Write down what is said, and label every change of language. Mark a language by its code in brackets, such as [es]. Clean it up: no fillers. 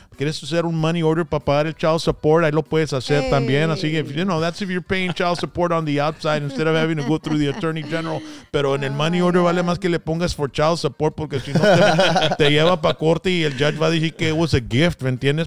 [es] ¿Quieres hacer un money order para pagar el child support? Ahí lo puedes hacer también. Así que, [en] you know, that's if you're paying child support on the outside instead of having to go through the attorney general. [es] Pero en el money order vale más que le pongas for child support porque si no te lleva para corte y el judge va a decir que [en] it was a gift, [es] ¿me entiendes?